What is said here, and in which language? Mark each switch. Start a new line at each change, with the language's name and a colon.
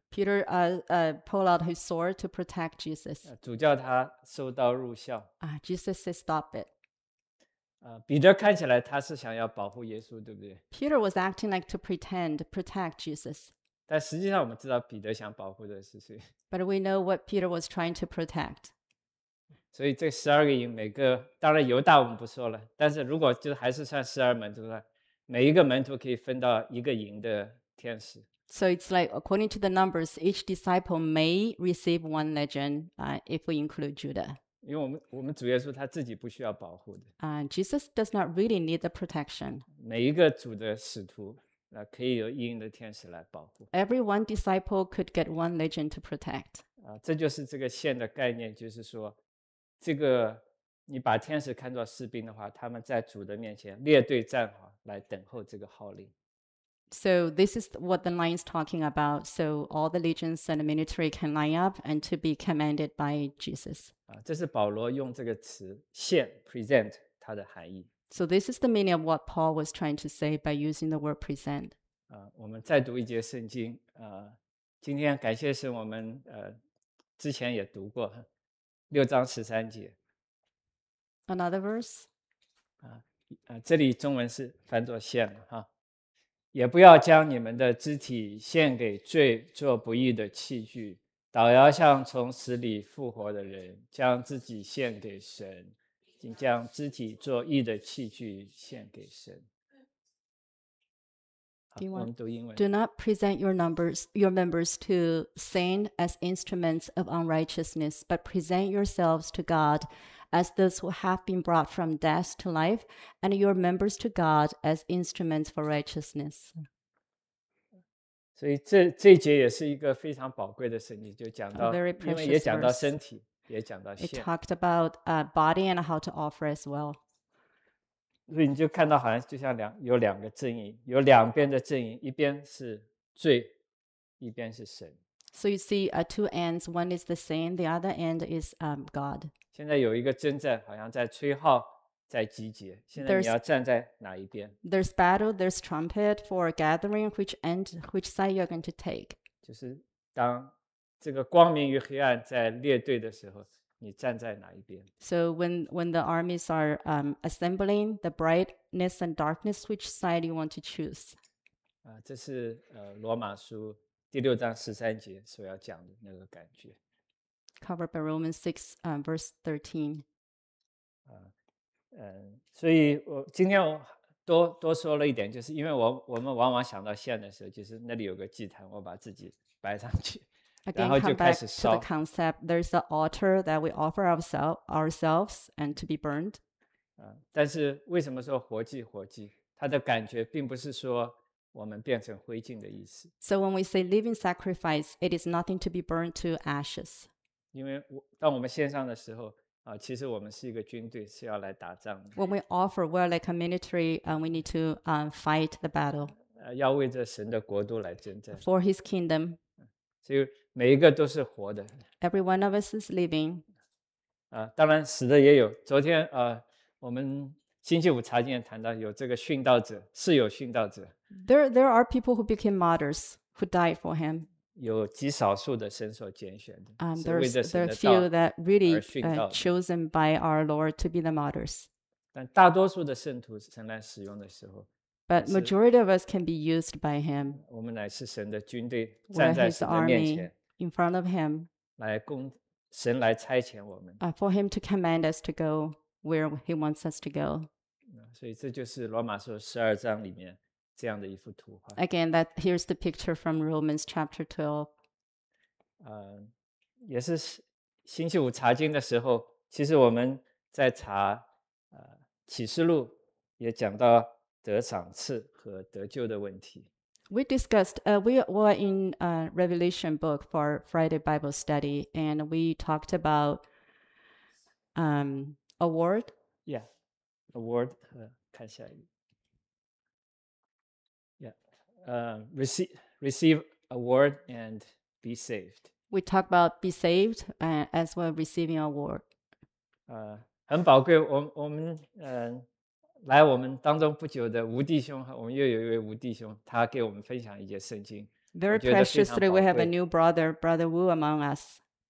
English: Peter pull out his sword to protect Jesus.
Chinese: 主叫他收刀入鞘。
English: Jesus says stop it.
Chinese: 彼得看起来他是想要保护耶稣，对不对？
English: Peter was acting like to pretend protect Jesus.
Chinese: 但实际上我们知道彼得想保护的是谁。
English: But we know what Peter was trying to protect.
Chinese: 所以这十二个营每个，当然犹大我们不说了，但是如果就还是算十二门徒的话，每一个门徒可以分到一个营的天使。
English: So it's like according to the numbers, each disciple may receive one legion, if we include Judah.
Chinese: 因为我们主耶稣他自己不需要保护的。
English: Jesus does not really need the protection.
Chinese: 每一个主的使徒，可以有一营的天使来保护。
English: Every one disciple could get one legion to protect.
Chinese: 这就是这个线的概念，就是说，这个你把天使看作士兵的话，他们在主的面前列队站好。来等候这个号令。
English: So this is what the line is talking about. So all the legions and the military can line up and to be commanded by Jesus.
Chinese: 这是保罗用这个词现 present 它的含义。
English: So this is the meaning of what Paul was trying to say by using the word present.
Chinese: 我们再读一节圣经。今天感谢神，我们之前也读过6:13。
English: Another verse.
Chinese: 这里中文是翻作献了哈，也不要将你们的肢体献给罪做不义的器具，祷要像从死里复活的人，将自己献给神，并将肢体做义的器具献给神。
English: Do not present your members to sin as instruments of unrighteousness, but present yourselves to God as those who have been brought from death to life, and your members to God as instruments for righteousness.
Chinese: 所以这一节也是一个非常宝贵的圣经，就讲到，因为也讲到身体，也讲到献。
English: It talked about body and how to offer as well.
Chinese: 所以你就看到好像就像有两个阵营，有两边的阵营，一边是罪，一边是神。
English: So you see two ends, one is the sin, the other end is God.
Chinese: 现在有一个征战，好像在吹号，在集结，现在你要站在哪一边？
English: There's battle, there's trumpet for gathering, which end, which side you're going to take.
Chinese: 就是当这个光明与黑暗在列队的时候，你站在哪一边？
English: So when the armies are assembling, the brightness and darkness, which side you want to choose?
Chinese: 这是罗马书第六章十三节所要讲的那个感觉。
English: Covered by Romans 6, verse 13.
Chinese: 所以我今天我多说了一点，就是因为我们往往想到献的时候，就是那里有个祭坛，我把自己摆上去。
English: Again, come back to the concept. There's an altar that we offer ourselves and to be burned.
Chinese: 但是为什么说活祭活祭？它的感觉并不是说我们变成灰烬的意思。
English: So when we say living sacrifice, it is nothing to be burned to ashes.
Chinese: 因为当我们献上的时候，其实我们是一个军队，是要来打仗的。
English: When we offer, we're like a military, we need to fight the battle.
Chinese: 要为着神的国度来征战。
English: For His kingdom.
Chinese: 所以每一个都是活的。
English: Every one of us is living.
Chinese: 当然死的也有。昨天我们星期五查经谈到有这个殉道者，是有殉道者。
English: There are people who became martyrs who died for him.
Chinese: 有极少数的神所拣选的。
English: There are few that really chosen by our Lord to be the martyrs.
Chinese: 但大多数的圣徒神来使用的时候。
English: But majority of us can be used by him.
Chinese: 我们乃是神的军队，站在神的面前。
English: In front of him.
Chinese: 神来差遣我们。
English: For him to command us to go where he wants us to go.
Chinese: 所以这就是罗马书十二章里面这样的一幅图画。
English: Again, here's the picture from Romans chapter 12.
Chinese: 也是星期五查经的时候，其实我们在查启示录也讲到得赏赐和得救的问题。
English: We discussed, we were in a Revelation book for Friday Bible study, and we talked about award. Yeah, award.
Chinese: 看下一页。
English: Yeah, receive award and be saved. We talked about be saved as well receiving award.
Chinese: 很宝贵，我们来我们当中不久的吴弟兄，我们又有一位吴弟兄，他给我们分享一节圣经。
English: Very preciously, we have a new brother, Brother Wu among us.